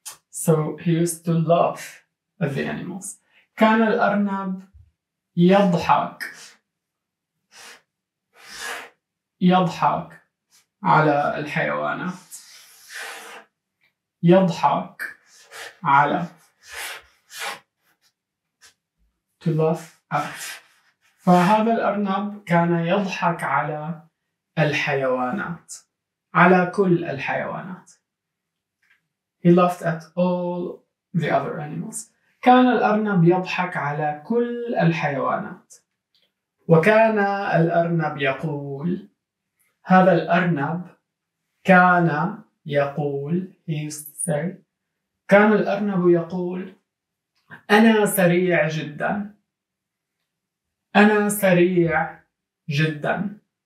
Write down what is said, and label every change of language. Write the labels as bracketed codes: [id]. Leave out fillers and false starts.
[en] So he used to laugh at the animals. [ar] كان الأرنب يضحك، يضحك على الحيوانات. يضحك على. [en] To laugh at. [ar] فهذا الأرنب كان يضحك على الحيوانات، على كل الحيوانات. [en] He laughed at all the other animals. [ar] كان الأرنب يضحك على كل الحيوانات. وكان الأرنب يقول، هذا الأرنب كان يقول، [en] he used to say, [ar] كان الأرنب يقول أنا سريع جدا، أنا سريع جدا.